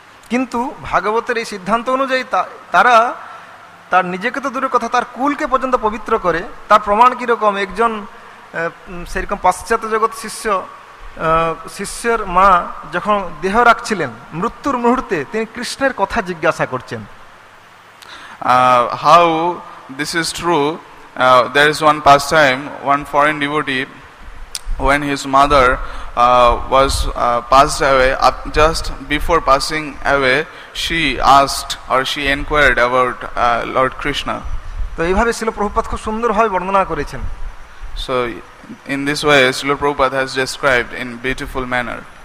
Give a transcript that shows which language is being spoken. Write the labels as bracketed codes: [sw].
[bn] Kintu bhagavater ei siddhanto onujayi tara tar nijeke to dure kotha tar kul ke porjonto pobitro kore tar praman ki rokom ekjon sei rokom paschatya jagat shishyo শিষ্যের মা যখন দেহ রাখছিলেন মৃত্যুর মুহূর্তে তিনি কৃষ্ণের কথা জিজ্ঞাসা করছেন. [en] How this is true, there is one pastime one foreign devotee when his mother was passed away, just before passing away she asked or she enquired about lord Krishna. [bn] তো এইভাবে ছিল প্রভুপাদ খুব সুন্দরভাবে বর্ণনা করেছেন. [en] So in this way Srila Prabhupada has described in beautiful manner.